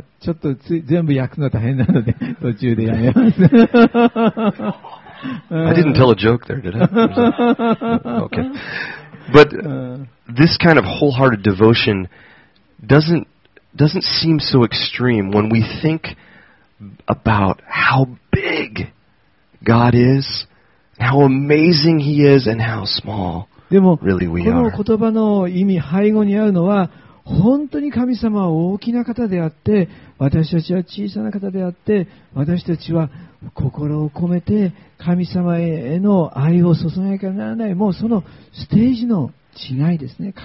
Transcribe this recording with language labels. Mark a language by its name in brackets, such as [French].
[Japanese] ちょっと全部訳すの大変なので途中でやめます。 [English] I didn't tell a joke there, did I? Okay. But this kind of wholehearted devotion doesn't seem so extreme when we think about how big God is, how amazing He is, and how small really we are. [Japanese] でもこの言葉の意味背後にあるのは、本当に神様は大きな方であって、私たちは小さな方であって、私たちは心を込めて神様への愛を注がなきゃならない。もうそのステージの違いですね。